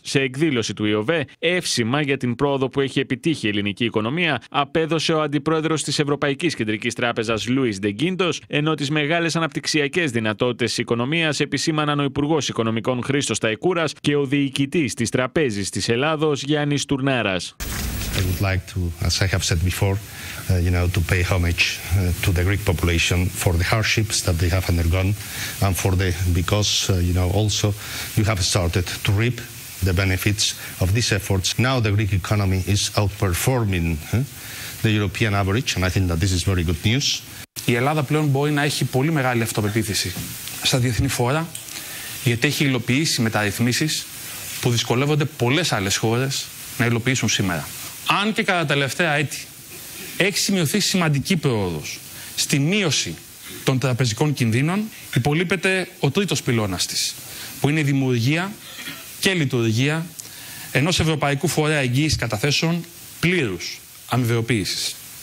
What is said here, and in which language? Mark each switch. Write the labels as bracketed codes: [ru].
[el] Σε εκδήλωση του ΙΟΒΕ, εύσημα για την πρόοδο που έχει επιτύχει η ελληνική οικονομία, απέδωσε ο Αντιπρόεδρος της Ευρωπαϊκής Κεντρικής Τράπεζας Λουίς Ντεγκίντος, ενώ τις μεγάλες αναπτυξιακές δυνατότητες της οικονομίας επισήμαναν ο Υπουργός Οικονομικών Χρήστος Ταϊκούρας και ο Διοικητής της Τραπέζης της Ελλάδος Γιάννης Τουρνάρας. [en] I would like to, as I have said before, to pay homage to the Greek population for the hardships that they have undergone and for the because also you have started to reap the benefits of these efforts. Now the Greek economy is outperforming the European average, and I think that this is very good news. [el] Η Ελλάδα πλέον μπορεί να έχει πολύ μεγάλη αυτοπεποίθηση στα διεθνή φόρα, γιατί έχει υλοποιήσει μεταρρυθμίσεις που δυσκολεύονται πολλές άλλες χώρες να υλοποιήσουν σήμερα. Αν και κατά τα τελευταία έτη έχει σημειωθεί σημαντική πρόοδος στη μείωση των τραπεζικών κινδύνων, υπολείπεται ο τρίτος πυλώνας της, που είναι η δημιουργία και λειτουργία ενός ευρωπαϊκού φορέα εγγύησης καταθέσεων πλήρους αμοιβαιοποίησης.